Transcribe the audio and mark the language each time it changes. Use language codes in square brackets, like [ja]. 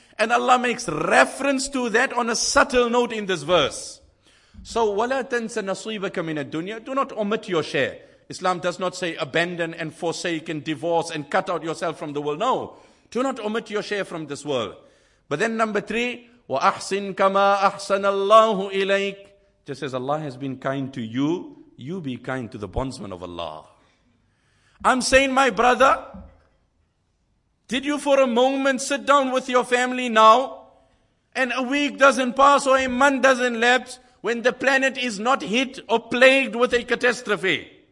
[en] And Allah makes reference to that on a subtle note in this verse. So, [ar] وَلَا تَنْسَ نَصِيبَكَ مِنَ الدُّنْيَا. [en] Do not omit your share. Islam does not say abandon and forsake and divorce and cut out yourself from the world. No. Do not omit your share from this world. But then number three, [ar] وَأَحْسِنْ كَمَا أَحْسَنَ اللَّهُ إِلَيْكَ. [en] Just as Allah has been kind to you, you be kind to the bondsman of Allah. I'm saying, my brother, did you for a moment sit down with your family now, and a week doesn't pass or a month doesn't lapse when the planet is not hit or plagued with a catastrophe?